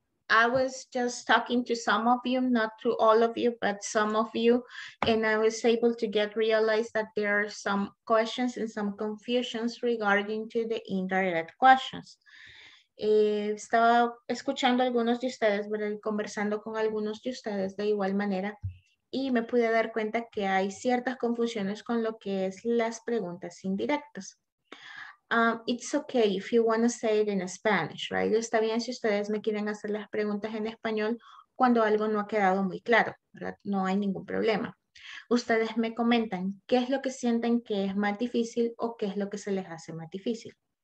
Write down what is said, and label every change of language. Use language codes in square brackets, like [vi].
[en] I was just talking to some of you, not to all of you, but some of you, and I was able to get realized that there are some questions and some confusions regarding to the indirect questions. [es] Estaba escuchando algunos de ustedes, conversando con algunos de ustedes de igual manera, y me pude dar cuenta que hay ciertas confusiones con lo que es las preguntas indirectas. [en] It's okay if you want to say it in Spanish, right? [es] Está bien si ustedes me quieren hacer las preguntas en español cuando algo no ha quedado muy claro, ¿verdad? No hay ningún problema. Ustedes me comentan qué es lo que sienten que es más difícil o qué es lo que se les hace más difícil.